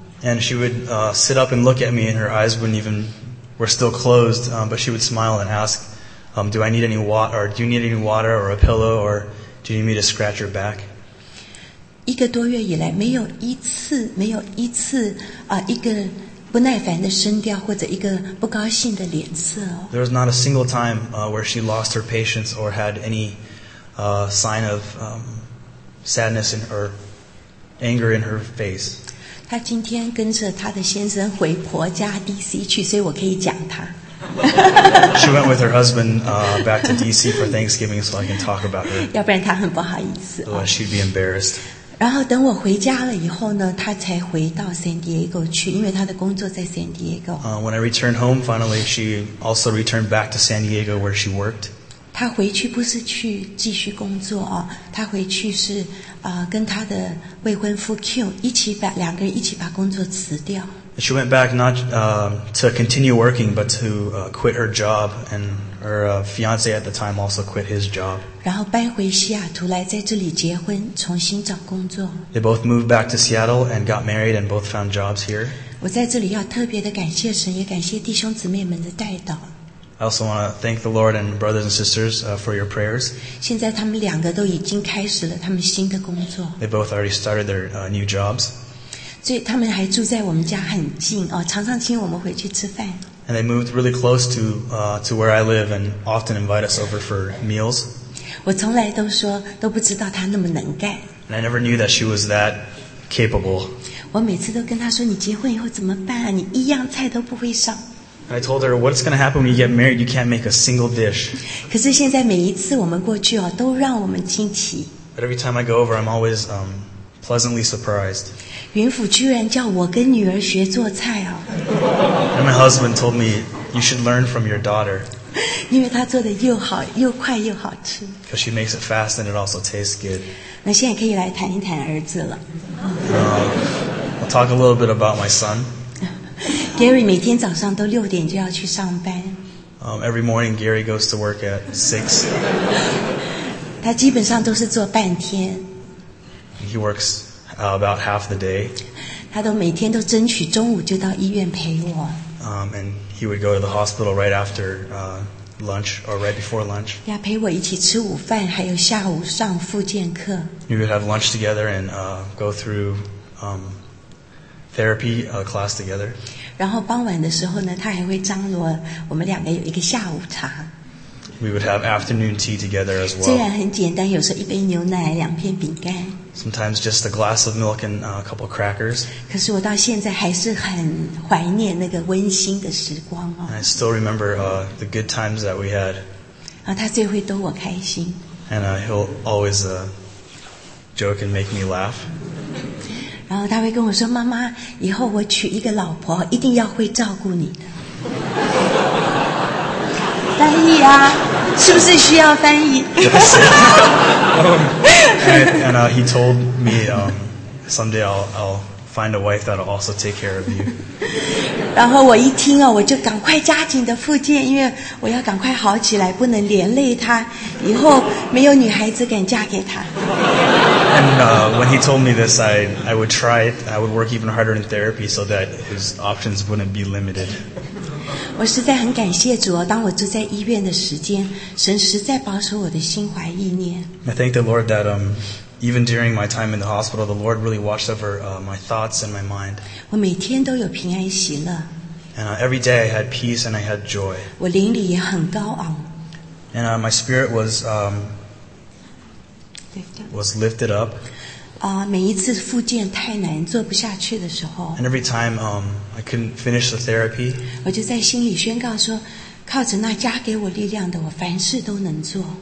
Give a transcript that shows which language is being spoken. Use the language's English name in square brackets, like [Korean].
[English] And she would sit up and look at me, and her eyes were still closed, but she would smile and ask, "Do I need any water? Or do you need any water or a pillow? Or do you need me to scratch your back?" [Chinese] 一个多月以来，没有一次，没有一次一个不耐烦的声调或者一个不高兴的脸色。 [English] There was not a single time where she lost her patience or had any sign of sadness in or anger in her face. [Chinese] 她今天跟着她的先生回婆家 DC 去，所以我可以讲她。 [English] She went with her husband back to DC for Thanksgiving, so I can talk about her. [Chinese] 要不然她很不好意思。 [English] Oh, she'd be embarrassed. [Chinese] 然后等我回家了以后呢，他才回到 San Diego 去，因为他的工作在 San Diego. [English] When I returned home, finally, she also returned back to San Diego where she worked. [Chinese] 他回去不是去继续工作啊，他回去是跟他的未婚夫 Q 两个人一起把工作辞掉。 [English] She went back not to continue working, but to quit her job, and her fiance at the time also quit his job. [Chinese] 然后搬回西雅图来，在这里结婚，重新找工作。 [English] They both moved back to Seattle and got married, and both found jobs here. [Chinese] 我在这里要特别的感谢神，也感谢弟兄姊妹们的带导。 [English] I also want to thank the Lord and brothers and sisters for your prayers. [Chinese] 现在他们两个都已经开始了他们新的工作。 [English] They both already started their new jobs. [Chinese] 所以他们还住在我们家很近哦，常常请我们回去吃饭。 [English] And they moved really close to where I live, and often invite us over for meals. [Chinese] 我从来都说都不知道她那么能干。 [English] And I never knew that she was that capable. [Chinese] 我每次都跟她说，你结婚以后怎么办啊？你一样菜都不会上。 [English] And I told her, what's going to happen when you get married? You can't make a single dish. [Chinese] 可是现在每一次我们过去哦，都让我们惊奇。 [English] But every time I go over, I'm always pleasantly surprised. [Chinese] 云甫居然叫我跟女儿学做菜哦。 [English] And my husband told me You should learn from your daughter. [Chinese] 因为她做的又好又快又好吃。 [English] Because she makes it fast and it also tastes good. [Chinese] 那现在可以来谈一谈儿子了。 [English] I'll talk a little bit about my son. [Chinese] Gary 每天早上都六点就要去上班。 [English] Every morning Gary goes to work at 6. [Chinese] 他基本上都是做半天。 [English] He works about half the day. [Chinese] 他都每天都争取中午就到医院陪我。 [English] And he would go to the hospital right after lunch or right before lunch. [Chinese] 要陪我一起吃午饭，还有下午上复健课。 [English] We would have lunch together and go through therapy class together. [Chinese] 然后傍晚的时候呢，他还会张罗我们两个有一个下午茶。 [English] We would have afternoon tea together as well. [Chinese] 虽然很简单，有时候一杯牛奶，两片饼干。 [English] Sometimes just a glass of milk and a couple of crackers. [Chinese] 可是我到现在还是很怀念那个温馨的时光哦。 [English] I still remember the good times that we had. [Chinese] 啊，他最会逗我开心。 [English] And he'll always joke and make me laugh. [Chinese] 然后他会跟我说：“妈妈，以后我娶一个老婆，一定要会照顾你的。” 翻译啊，是不是需要翻译？ [English] Yes. And he told me someday I'll find a wife that'll also take care of you. [Chinese] 然后我一听哦，我就赶快加紧的复健，因为我要赶快好起来，不能连累他，以后没有女孩子敢嫁给他。 [English] And when he told me this, I would try it. I would work even harder in therapy so that his options wouldn't be limited. [Chinese] 我实在很感谢主哦，当我住在医院的时间，神实在保守我的心怀意念。 [English] I thank the Lord that even during my time in the hospital, the Lord really watched over my thoughts and my mind. [Chinese] 我每天都有平安喜乐。 [English] And every day I had peace and I had joy. [Chinese] 我灵里也很高昂。 [English] And my spirit was lifted up. [Chinese] 每一次复健太难做不下去的时候， [English] and every time I couldn't finish the therapy, [Chinese] 我就在心里宣告说，靠着那加给我力量的，我凡事都能做。